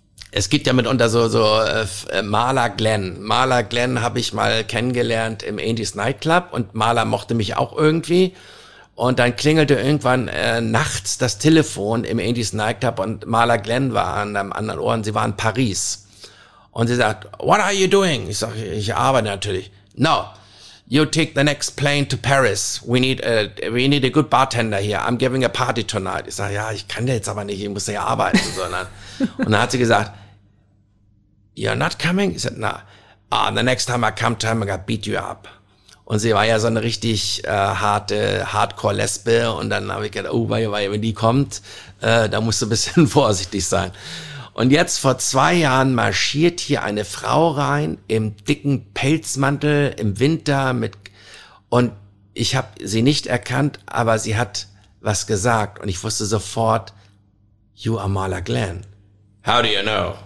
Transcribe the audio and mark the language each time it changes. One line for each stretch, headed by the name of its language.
German: Es gibt ja mitunter Maler Glenn. Maler Glenn habe ich mal kennengelernt im Andy's Nightclub und Maler mochte mich auch irgendwie. Und dann klingelte irgendwann nachts das Telefon im Andy's Nightclub und Maler Glenn war an einem anderen Ohr und sie war in Paris. Und sie sagt,
English: what are you doing?
German: Ich sage, ich arbeite natürlich.
English: No, you take the next plane to Paris. We need a good bartender here. I'm giving a party tonight.
German: Ich sage, ja, ich kann ja jetzt aber nicht, ich muss ja arbeiten. Sondern. Und dann hat sie gesagt,
English: you're not coming?
German: Ich sage,
English: no, the next time I come to him, I'm gonna beat you up.
German: Und sie war ja so eine richtig harte Hardcore-Lesbe. Und dann habe ich gedacht, oh, weil wenn die kommt, da musst du ein bisschen vorsichtig sein. Und jetzt vor 2 Jahren marschiert hier eine Frau rein im dicken Pelzmantel im Winter mit und ich habe sie nicht erkannt, aber sie hat was gesagt und ich wusste sofort,
English: you are Marla Glenn. How do you know?